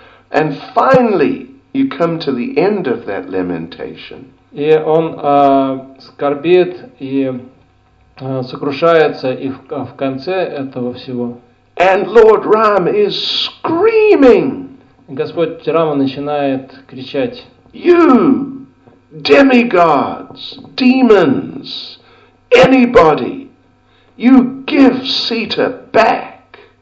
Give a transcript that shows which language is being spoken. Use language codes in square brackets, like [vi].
[en] And finally you come to the end of that lamentation. [ru] И он скорбит и сокрушается и в конце этого всего. [en] And Lord Ram is screaming. [ru] Господь Рама начинает кричать. [en] You demigods, demons, anybody, you give Sita back.